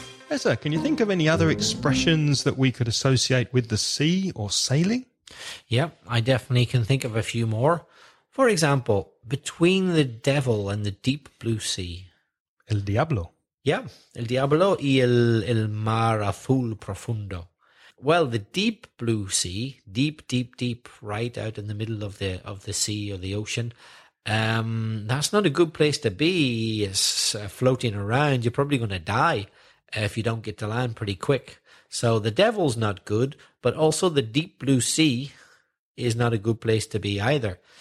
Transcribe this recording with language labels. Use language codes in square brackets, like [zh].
[en] Reza, can you think of any other expressions that we could associate with the sea or sailing? Yeah, I definitely can think of a few more. For example, between the devil and the deep blue sea. [es] El diablo. Yeah, el diablo y el mar azul profundo. [en] Well, the deep blue sea, deep, right out in the middle of the sea or the ocean, that's not a good place to be. It's floating around. You're probably going to die if you don't get to land pretty quick. So the devil's not good, but also the deep blue sea is not a good place to be either.